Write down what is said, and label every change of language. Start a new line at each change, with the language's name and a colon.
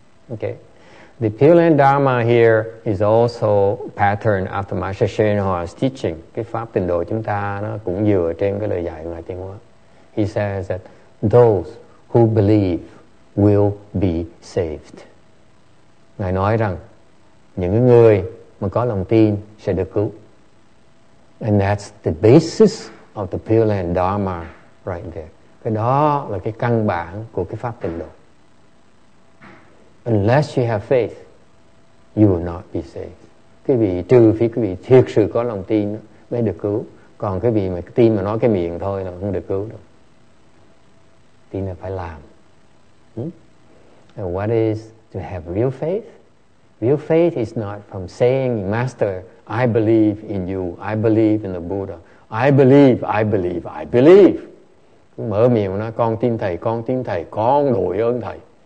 English: Okay, the Pure Land Dharma here is also patterned after Master Shenhua's teaching.
Vietnamese: Cái pháp tịnh độ chúng ta nó cũng dựa trên cái lời dạy của Ngài Thiên Hoa.
English: He says that those who believe will be saved.
Vietnamese: Ngài nói rằng những người mà có lòng tin sẽ được cứu.
English: And that's the basis of the Pure Land Dharma right there.
Vietnamese: Cái đó là cái căn bản của cái pháp tịnh độ.
English: Unless you have faith, you will not be saved.
Vietnamese: Quý vị trừ phi quý vị thiệt sự có lòng tin mới được cứu. Còn quý vị mà tin mà nói cái miệng thôi là không được cứu đâu. Tin là phải làm.
English: And what is to have real faith? Real faith is not from saying, Master, I believe in you. I believe in the Buddha. I believe, I believe, I believe.
Vietnamese: Mở miệng nói, con tin thầy, con tin thầy, con đổi ơn thầy.